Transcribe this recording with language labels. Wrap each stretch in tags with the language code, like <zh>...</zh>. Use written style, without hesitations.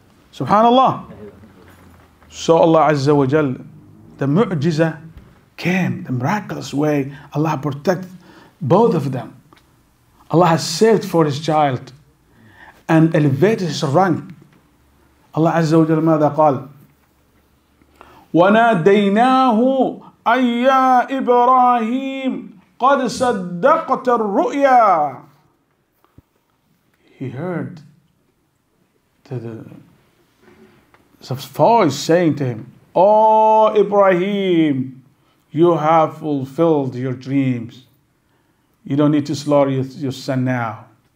<en>Subhanallah. So Allah Azza wa Jal, the mu'jiza came, the miraculous way, Allah protected both of them. Allah has saved for his child and elevated his rank. Allah Azza wa Jal,</en> <ar>ماذا قال? وناديناه أن يا إبراهيم قد صدقت الرؤيا.</ar> <en>He heard the voice saying to him, Oh Ibrahim, you have fulfilled your dreams. You don't need to slaughter your son now.</en>